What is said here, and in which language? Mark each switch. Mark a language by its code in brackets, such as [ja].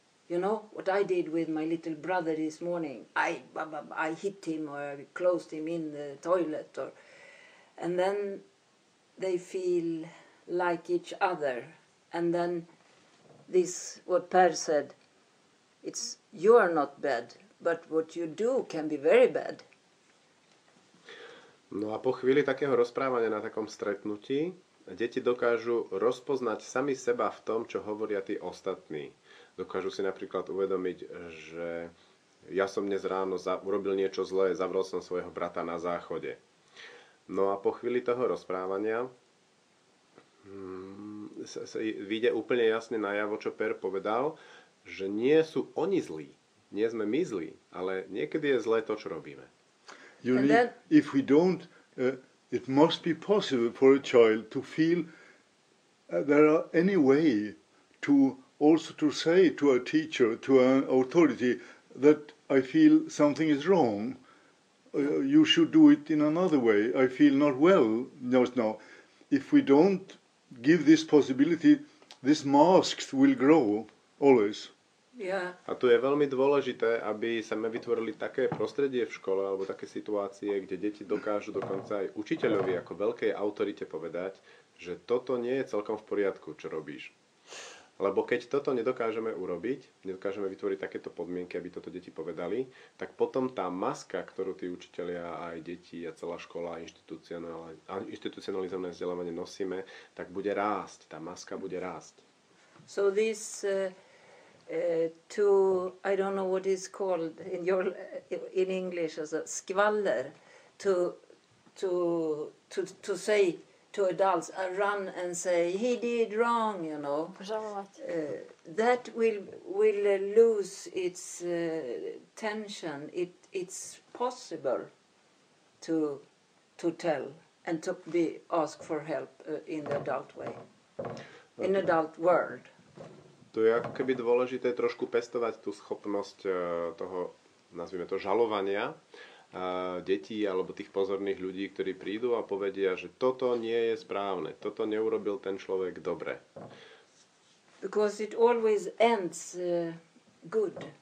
[en] You know, what I did with my little brother this morning, I hit him or I closed him in the toilet. Or, and then they feel like each other. And then this, what Per said, it's you are not bad, but what you do can be very bad. [sk] No a po chvíli takého rozprávania na takom stretnutí, deti dokážu rozpoznať sami seba v tom, čo hovoria tí ostatní. Dokážu si napríklad uvedomiť, že ja som dnes ráno urobil niečo zlé, zavrel som svojho brata na záchode. No a po chvíli toho rozprávania vyjde úplne jasne najavo, čo Per povedal, že nie sú oni zlí, nie sme my zlí, ale niekedy je zlé to, čo robíme. [en] You need, if we don't, it must be possible for a child to feel there are any way to also to say to a teacher, to an authority, that I feel something is wrong. You should do it in another way. I feel not well just now. If we don't give this possibility, this mask will grow always. Yeah. [sk] A tu je veľmi dôležité, aby sme vytvorili také prostredie v škole alebo také situácie, kde deti dokážu dokonca aj učiteľovi ako veľkej autorite povedať, že toto nie je celkom v poriadku, čo robíš. Lebo keď toto nedokážeme urobiť, nedokážeme vytvoriť takéto podmienky, aby toto deti povedali, tak potom tá maska, ktorú tí učitelia aj deti a celá škola a institucionalizované vzdelávanie nosíme, tak bude rásť. Tá maska bude rásť. [en] So this to, I don't know what it's called in your in English as a skvaller, to say to adults and run and say he did wrong, you know, that will lose its tension. It's possible to tell and to be asked for help in the adult way, in adult world. [sk] To je ako keby dôležité trošku pestovať tú schopnosť toho, nazvime to, žalovania detí alebo tých pozorných ľudí, ktorí prídu a povedia, že toto nie je správne, toto neurobil ten človek dobre. [en] Because it always ends good.